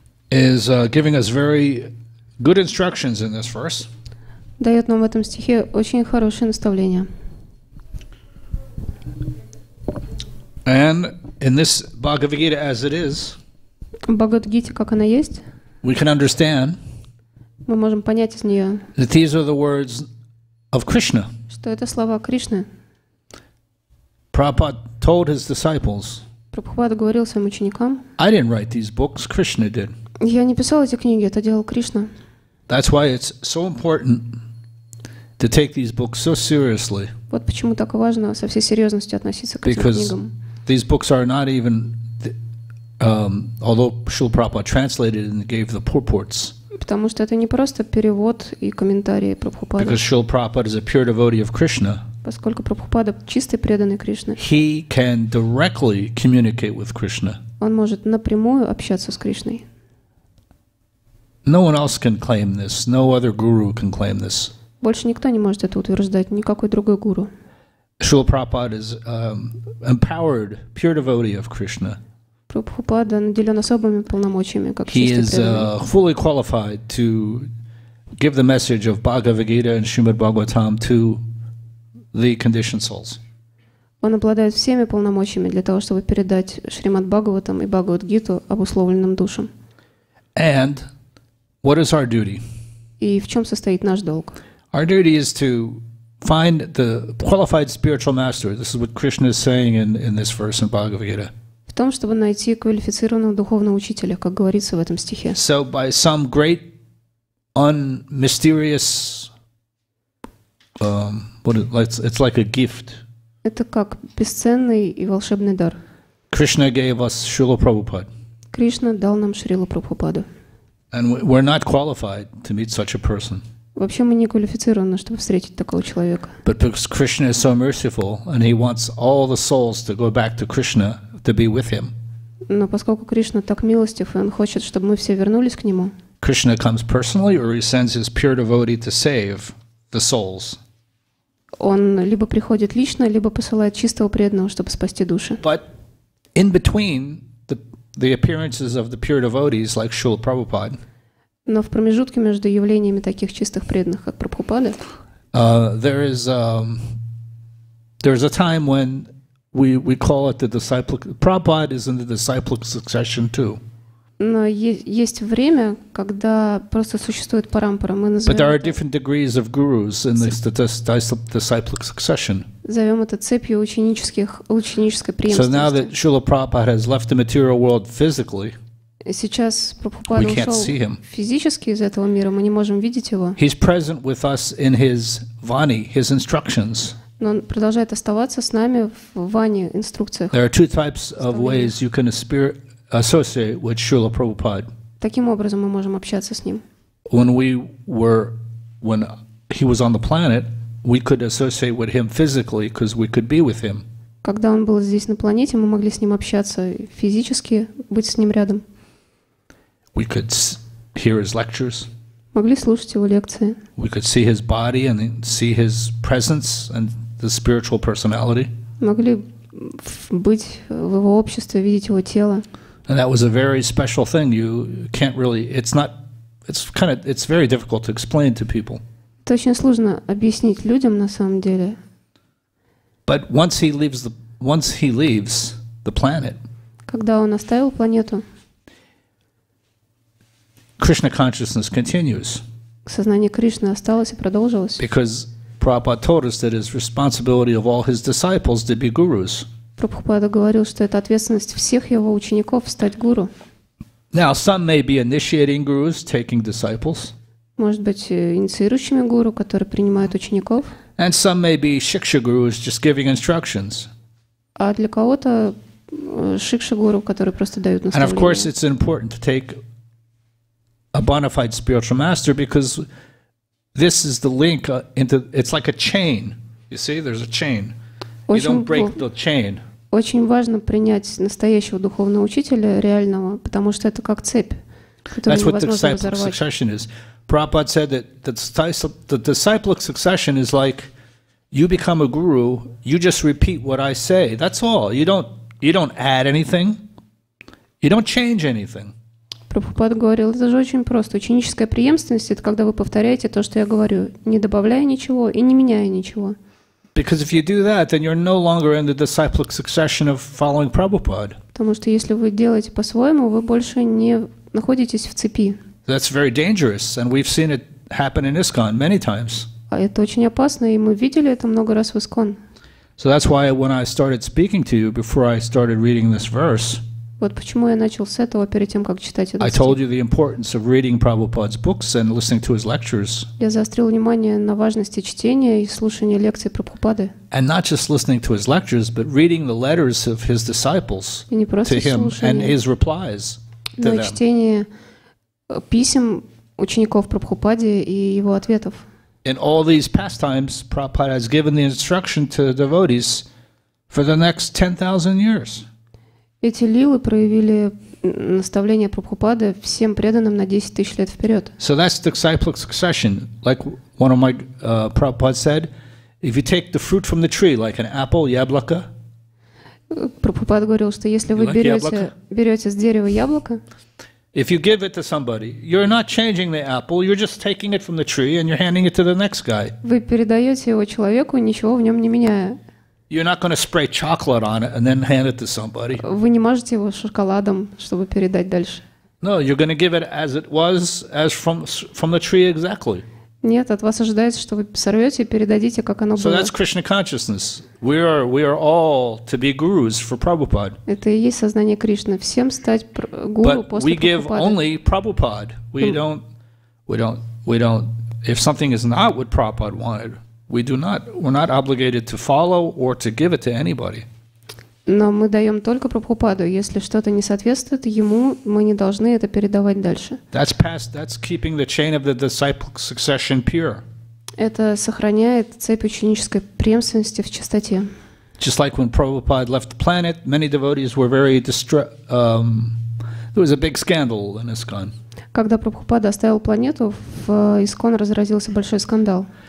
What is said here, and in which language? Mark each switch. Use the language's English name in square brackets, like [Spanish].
[English] is giving us very good instructions in this verse. [Russian] Дает нам в этом стихе очень хорошее наставление. [English] And in this Bhagavad Gita as it is. [Russian] Бхагавад-гите как она есть. [English] We can understand. [Russian] Мы можем понять из нее. [English] That these are the words of Krishna. [Russian] Что это слова Кришны. [English] Prabhupada told his disciples. [Russian] Прабхупада говорил своим ученикам. [English] I didn't write these books, Krishna did. [Russian] Я не писал эти книги, это делал Кришна. [English] That's why it's so important to take these books so seriously. [Russian] Вот почему так важно со всей серьезностью относиться к этим [English] Because [Russian] книгам. [English] Because these books are not even, although Srila Prabhupada translated and gave the purports. [Russian] Потому что это не просто перевод и комментарии Прабхупады. [English] Because Srila Prabhupada is a pure devotee of Krishna. [Russian] Поскольку Прабхупада чистый преданный Кришне. [English] He can directly communicate with Krishna. [Russian] Он может напрямую общаться с Кришной. [English] No one else can claim this. No other guru can claim this. [Russian] Больше никто не может это утверждать, никакой другой гуру. [English] Srila Prabhupada is empowered pure devotee of Krishna. [Russian] Прабхупада наделен особыми полномочиями как чистый преданный. [English] He is fully qualified to give the message of Bhagavad Gita and Srimad Bhagavatam to the conditioned souls. [Russian] Он обладает всеми полномочиями для того, чтобы передать Шримад Бхагаватам и Бхагавад-гиту обусловленным душам. [English] And What is our duty? [Russian] И в чем состоит наш долг? [English] Our duty is to find the qualified spiritual master. This is what Krishna is saying in this verse in Bhagavad Gita. [Russian] В том, чтобы найти квалифицированного духовного учителя, как говорится в этом стихе. [English] So by some great mysterious it's like a gift. [Russian] Это как бесценный и волшебный дар. [English] Krishna gave us Srila Prabhupada. [Russian] Кришна дал нам Шрилу Прабхупаду. [English] And we're not qualified to meet such a person. [Russian] Вообще мы не квалифицированы, чтобы встретить такого человека. [English] But because Krishna is so merciful and he wants all the souls to go back to Krishna to be with him. [Russian] Но поскольку Кришна так милостив и он хочет, чтобы мы все вернулись к нему. [English] Krishna comes personally or he sends his pure devotee to save the souls. [Russian] Он либо приходит лично, либо посылает чистого преданного, чтобы спасти души. [English] But in between the appearances of the pure devotees like Srila Prabhupada. [Russian] Но в промежутке между явлениями таких чистых преданных, как Прабхупада, [English] there is a time when we call it the disciple. Prabhupada is in the disciple succession too. [Russian] Но есть время, когда просто существует парампара. Мы называем. [English] But there are different degrees of gurus in this disciple succession. [Russian] Зовем это цепью ученической преемственности. [English] So now that Srila Prabhupada has left the material world physically. [Russian] Сейчас Прабхупада ушел физически из этого мира, мы не можем видеть его. [English] He's present with us in his vani, his instructions. [Russian] Но он продолжает оставаться с нами в вани, инструкциях. [English] There are two types of ways you can associate with Srila Prabhupada. [Russian] Таким образом мы можем общаться с ним. [English] When he was on the planet, we could associate with him physically because we could be with him. [Russian] Когда он был здесь на планете, мы могли с ним общаться физически, быть с ним рядом. [English] We could hear his lectures. [Russian] Могли слушать его лекции. [English] We could see his body and see his presence and the spiritual personality. [Russian] Могли быть в его обществе, видеть его тело. [English] And that was a very special thing. You can't really. It's very difficult to explain to people. [Russian] Это очень сложно объяснить людям на самом деле. [English] But once he leaves the planet. [Russian] Когда он оставил планету. [English] Krishna consciousness continues. [Russian] Сознание Кришны осталось и продолжилось. [English] Because Prabhupada told us that it's responsibility of all his disciples to be gurus. [Russian] Прабхупада говорил, что это ответственность всех его учеников стать гуру. [English] Now some may be initiating gurus, taking disciples. [Russian] Может быть, инициирующими гуру, которые принимают учеников. [English] And some may be shiksha gurus, just giving instructions. [Russian] А для кого-то шикша гуру, которые просто дают наставления. [English] And of course, it's important to take a bona fide spiritual master because this is the link into. It's like a chain. You see, there's a chain. You don't break the chain. [Russian] Очень важно принять настоящего духовного учителя реального, потому что это как цепь, которую невозможно разорвать. [English] That's what the disciple succession is. Prabhupada said that the disciple succession is like you become a guru, you just repeat what I say. That's all. You don't add anything. You don't change anything. [Russian] Прабхупада говорил, это же очень просто. Ученическая преемственность — это когда вы повторяете то, что я говорю, не добавляя ничего и не меняя ничего. [English] Because if you do that, then you're no longer in the disciplic succession of following Prabhupada. [Russian] Потому что если вы делаете по-своему, вы больше не находитесь в цепи. [English] That's very dangerous, and we've seen it happen in ISKCON many times. [Russian] А это очень опасно, и мы видели это много раз в ISKCON. [English] So that's why when I started speaking to you before I started reading this verse. [Russian] Вот почему я начал с этого перед тем, как читать этот стих. [English] I told you the importance of reading Prabhupada's books and listening to his lectures. [Russian] Я заострил внимание на важности чтения и слушания лекций Прабхупады. [English] And not just listening to his lectures, but reading the letters of his disciples to him and his replies to them. [Russian] Но и чтение писем учеников Прабхупады и его ответов. [English] In all these pastimes, Prabhupada has given the instruction to the devotees for the next 10,000 years. [Russian] Эти лилы проявили наставление Прабхупады всем преданным на 10 тысяч лет вперед. [English] So that's the disciplic succession. Like one of my Prabhupada said, if you take the fruit from the tree, like an apple, [Russian] яблоко. Прабхупада говорил, что если вы берете с дерева яблоко. [English] If you give it to somebody, you're not changing the apple, you're just taking it from the tree and you're handing it to the next guy. [Russian] Вы передаете его человеку, ничего в нем не меняя. [English] You're not going to spray chocolate on it and then hand it to somebody. [Russian] Вы не мажете его шоколадом, чтобы передать дальше. [English] No, you're going to give it as it was, as from the tree exactly. [Russian] Нет, от вас ожидается, что вы сорвете и передадите, как оно [English] so [Russian] было. [English] So that's Krishna consciousness. We are all to be gurus for Prabhupada. [Russian] Это и есть сознание Кришны. Всем стать гуру после Прабхупады. [English] But we give only Prabhupada. We don't. If something is not what Prabhupada wanted, we do not. We're not obligated to follow or to give it to anybody. [Russian] Но мы даем только Прабхупаду. Если что-то не соответствует ему, мы не должны это передавать дальше. [English] That's keeping the chain of the disciple succession pure. [Russian] Это сохраняет цепь ученической преемственности в чистоте. [English] Just like when Prabhupada left the planet, many devotees were very there was a big scandal in ISKCON. [Russian] Когда Прабхупада оставил планету, в ИСККОН разразился большой скандал.